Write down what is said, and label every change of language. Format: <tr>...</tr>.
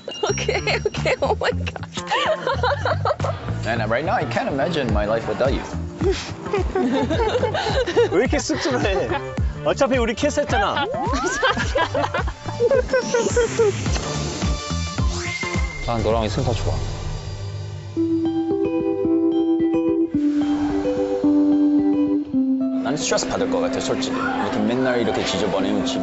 <en>오케이 오케이 오 마이 갓. And right now I can't imagine my life without you.</en> <ko>왜 이렇게 씁쓸해? 어차피 우리 키스했잖아. 난 너랑 있으면 더 좋아. 난 스트레스 받을 것 같아 솔직히. 이렇게 맨날 이렇게 지저분해 움직임.</ko>